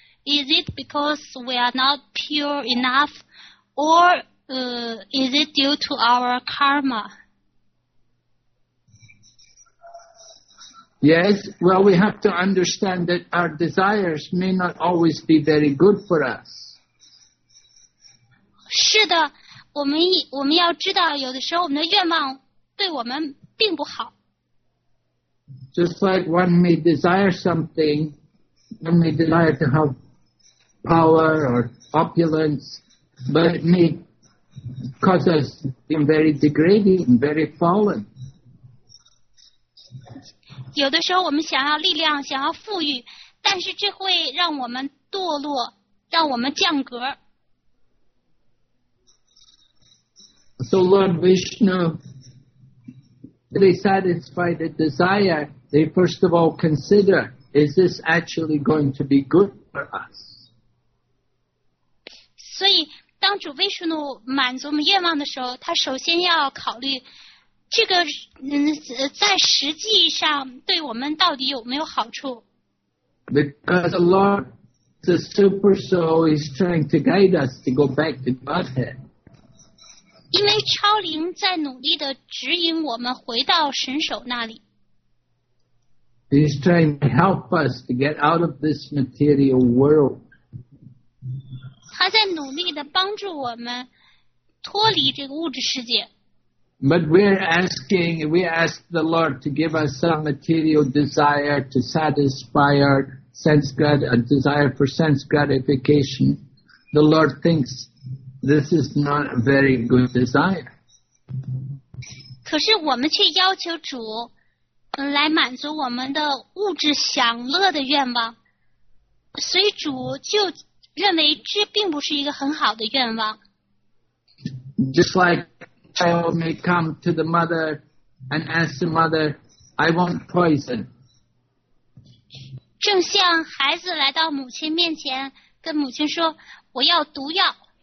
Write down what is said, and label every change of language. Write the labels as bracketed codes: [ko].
[en] Is it because we are not pure enough, or is it due to our karma? Yes, well, we have to understand that our desires may not always be very good for us. [zh] 是的，我们要知道，有的时候我们的愿望对我们并不好。 [en] Just like one may desire something, one may desire to have power or opulence, but it may cause us being very degrading, very fallen. [zh] 有的时候我们想要力量，想要富裕，但是这会让我们堕落，让我们降格。 [en] So Lord Vishnu, they satisfy the desire. They first of all consider, is this actually going to be good for us? [zh] 所以，当主维什努满足我们愿望的时候，他首先要考虑。这个在实际上对我们到底有没有好处 [en] ？Because the Lord, the super soul, is trying to guide us to go back to Godhead. [zh] 因为超灵在努力的指引我们回到神首那里。 [en] He's trying to help us to get out of this material world. [zh] 他在努力的帮助我们脱离这个物质世界。 [en] But we ask the Lord to give us some material desire to satisfy our sense grat, a desire for sense gratification. The Lord thinks this is not a very good desire. [zh] 可是我们却要求主来满足我们的物质享乐的愿望，所以主就认为这并不是一个很好的愿望。 [en] Just like. Child may come to the mother and ask the mother, "I want poison." [zh] 正像孩子来到母亲面前，跟母亲说，我要毒药。